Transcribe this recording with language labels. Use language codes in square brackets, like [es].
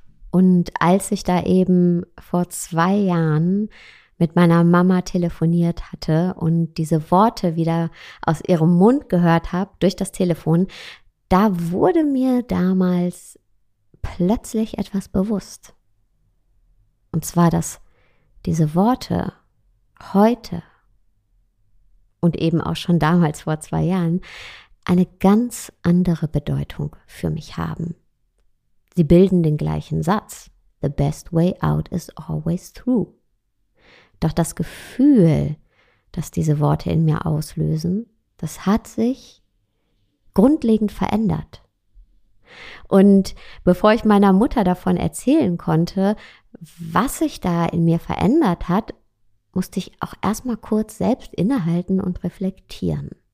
[de] Und als ich da eben vor 2 Jahren mit meiner Mama telefoniert hatte und diese Worte wieder aus ihrem Mund gehört habe, durch das Telefon, da wurde mir damals plötzlich etwas bewusst. Und zwar, dass diese Worte heute und eben auch schon damals vor 2 Jahren eine ganz andere Bedeutung für mich haben. Sie bilden den gleichen Satz. [en] The best way out is always through. [de] Doch das Gefühl, das diese Worte in mir auslösen, das hat sich grundlegend verändert. Und bevor ich meiner Mutter davon erzählen konnte, was sich da in mir verändert hat, musste ich auch erstmal kurz selbst innehalten und reflektieren.